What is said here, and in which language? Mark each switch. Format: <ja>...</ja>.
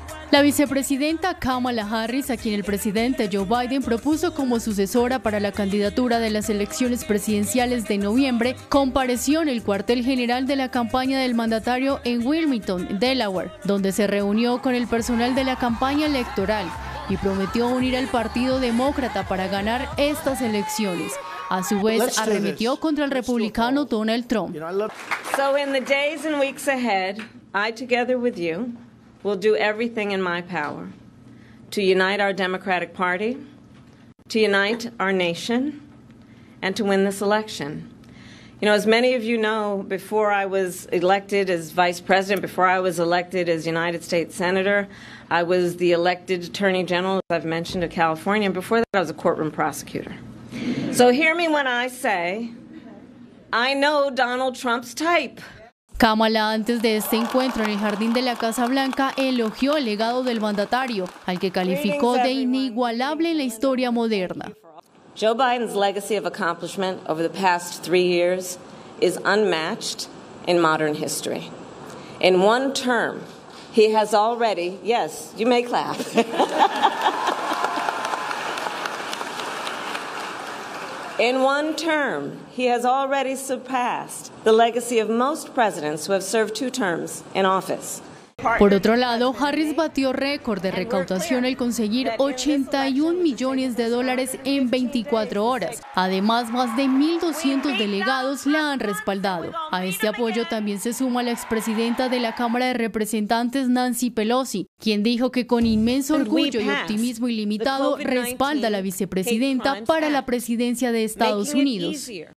<es>La vicepresidenta Kamala Harris, a quien el presidente Joe Biden propuso como sucesora para la candidatura de las elecciones presidenciales de noviembre, compareció en el cuartel general de la campaña del mandatario en Wilmington, Delaware, donde se reunió con el personal de la campaña electoral y prometió unir al Partido Demócrata para ganar estas elecciones. A su vez, arremetió contra el republicano Donald Trump.</es> <en>So in the days and weeks ahead, I together with you will do everything in my power to unite our Democratic Party, to unite our nation, and to win this election. You know, as many of you know, before I was elected as Vice President, before I was elected as United States Senator, I was the elected Attorney General, as I've mentioned, of California, and before that I was a courtroom prosecutor. So hear me when I say, I know Donald Trump's type.</en> <es>Kamala, antes de este encuentro en el jardín de la Casa Blanca, elogió el legado del mandatario, al que calificó de inigualable en la historia moderna.</es> <en>Joe Biden's legacy of accomplishment over the past three years is unmatched in modern history. In one term, he has already, yes, you may clap. In one term, he has already surpassed the legacy of most presidents who have served two terms in office.</en> <es>Por otro lado, Harris batió récord de recaudación al conseguir 81 millones de dólares en 24 horas. Además, más de 1.200 delegados la han respaldado. A este apoyo también se suma la expresidenta de la Cámara de Representantes, Nancy Pelosi, quien dijo que con inmenso orgullo y optimismo ilimitado respalda a la vicepresidenta para la presidencia de Estados Unidos.</es>